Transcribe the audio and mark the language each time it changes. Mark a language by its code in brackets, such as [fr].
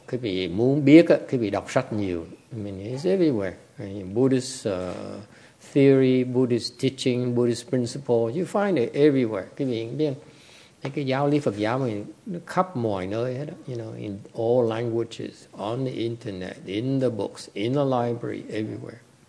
[vi] Quý vị muốn biết, quý vị đọc sách nhiều. [en] I mean, it's everywhere. Buddhist theory, Buddhist teaching, Buddhist principle, you find it everywhere. [vi] Quý vị biết, cái giáo lý Phật giáo mình nó khắp mọi nơi hết. [en] You know, in all languages, on the internet, in the books, in the library, everywhere.